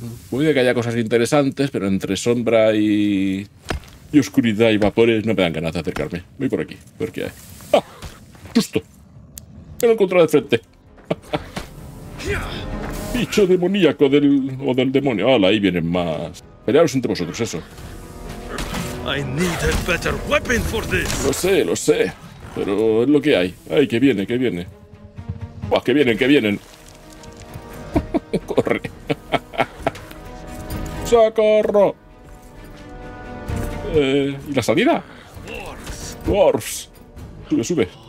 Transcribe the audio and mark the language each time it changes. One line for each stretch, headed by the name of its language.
Spanish: Puede que haya cosas interesantes, pero entre sombra y oscuridad y vapores no me dan ganas de acercarme. Voy por aquí, a ver qué hay. ¡Ah! ¡Susto! Me lo encontré de frente. Bicho demoníaco del... o del demonio. ¡Hala! Ahí vienen más. Pelearos entre vosotros, eso.
English: I need a better weapon for this.
Spanish: Lo sé, lo sé. Pero es lo que hay. ¡Ay, que viene, que viene! ¡Buah, que vienen, que vienen! ¡Corre! ¡Socorro! ¿Y la salida? ¡Dwarfs! ¡Sube, sube!